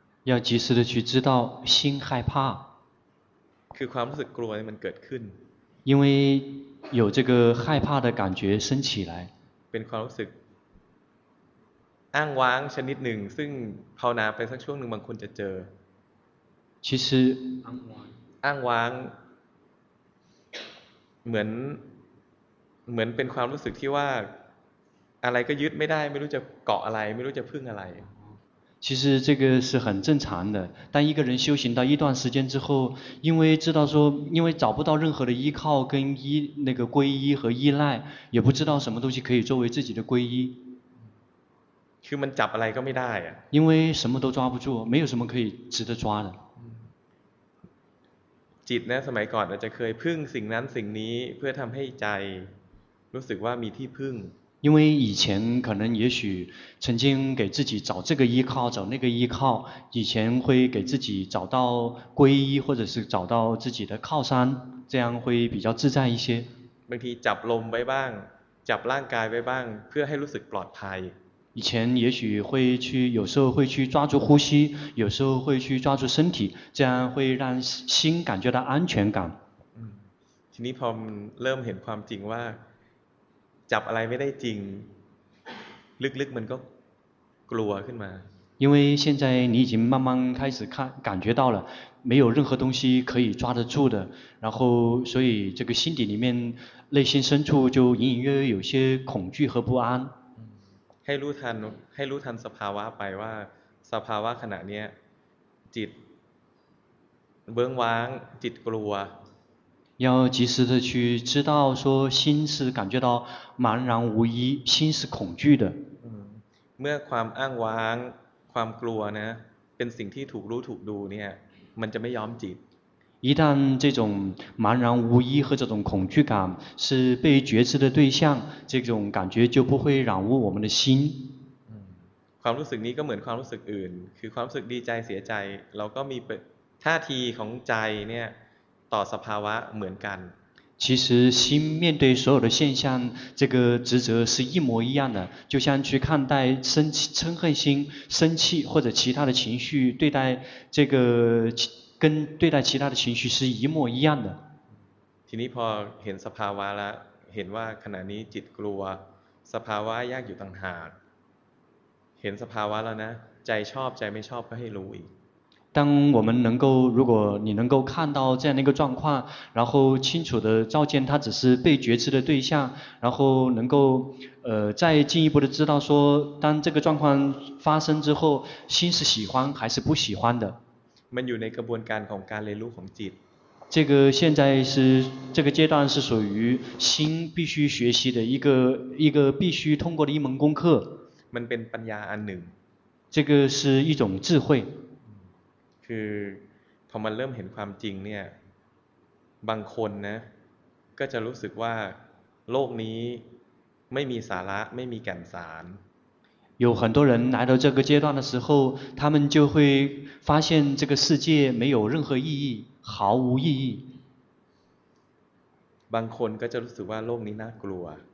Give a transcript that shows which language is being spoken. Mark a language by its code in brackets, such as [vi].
[zh] 要及时的去知道心害怕 [th] คือความรู้สึกกลัวมันเกิดขึ้น [zh] 因为有这个害怕的感觉升起来 [th] เป็นความรู้สึกอ้างว้างชนิดหนึ่งซึ่งภาวนาไปสักช่วงหนึ่งบางคนจะเจอ [zh] 其实 [th] อ้างว้าง เหมือนเป็นความรู้สึกที่ว่าอะไรก็ยึดไม่ได้ไม่รู้จะเกาะอะไรไม่รู้จะพึ่งอะไร [zh] 其实这个是很正常的但一个人修行到一段时间之后因为知道说因为找不到任何的依靠跟依那个皈依和依赖也不知道什么东西可以作为自己的皈依 [th] คือมันจับอะไรก็ไม่ได้อะ [zh] 因为什么都抓不住没有什么可以值得抓的 [th] จิตนะสมัยก่อนอาจจะเคยพึ่งสิ่งนั้นสิ่งนี้เพื่อทำให้ใจรู้สึกว่ามีที่พึ่ง [zh] 因为以前可能也许曾经给自己找这个依靠找那个依靠以前会给自己找到皈依或者是找到自己的靠山这样会比较自在一些 [th] บางทีจับลมไว้บ้างจับร่างกายไว้บ้างเพื่อให้รู้สึกปลอดภัย [zh] 以前也许会去有时候会去抓住呼吸有时候会去抓住身体这样会让心感觉到安全感 [th] ทีนี้พอเริ่มเห็นความจริงว่าจับอะไรไม่ได้จริงลึกๆมันก็กลัวขึ้นมา [zh] 因为现在你已经慢慢开始看感觉到了没有任何东西可以抓得住的然后所以这个心底里面内心深处就隐隐约约有些恐惧和不安 [th] ให้รู้ทันให้รู้ทันสภาวะไปว่าสภาวะขณะนี้จิตเบื้องว้างจิตกลัว [zh] 要及时的去知道说心是感觉到茫然无依心是恐惧的 [th] เมื่อความอ้างว้างความกลัวนะเป็นสิ่งที่ถูกรู้ถูกดูเนี่ยมันจะไม่ยอมจิต [zh] 一旦这种茫然无依和这种恐惧感是被觉知的对象这种感觉就不会染污我们的心 [th] ความรู้สึกนี้ก็เหมือนความรู้สึกอื่นคือความรู้สึกดีใจเสียใจเราก็มีท่าทีของใจเนี่ยต่อสภาวะเหมือนกัน [zh] 其实心面对所有的现象这个职责是一模一样的就像去看待生气嗔恨心生气或者其他的情绪对待这个跟对待其他的情绪是一模一样的 [th] ทีนี้พอเห็นสภาวะแล้วเห็นว่าขณะนี้จิตกลัวสภาวะยากอยู่ต่างหากเห็นสภาวะแล้วนะใจชอบใจไม่ชอบก็ให้รู้อีก [zh] 当我们能够如果你能够看到这样的一个状况然后清楚的照见它只是被觉知的对象然后能够再进一步的知道说当这个状况发生之后心是喜欢还是不喜欢的 [th] มันอยู่ในกระบวนการของการเรียนรู้ของจิต [zh] 这个现在是这个阶段是属于心必须学习的一个必须通过的一门功课 [th] มันเป็นปัญญาอันหนึ่ง [zh] 这个是一种智慧 [th] คือพอมันเริ่มเห็นความจริงเนี่ยบางคนนะก็จะรู้สึกว่าโลกนี้ไม่มีสาระไม่มีแก่นสาร [zh] 有很多人来到这个阶段的时候他们就会发现这个世界没有任何意义毫无意义 [th] บางคนก็จะรู้สึกว่าโลกนี้น่ากลัว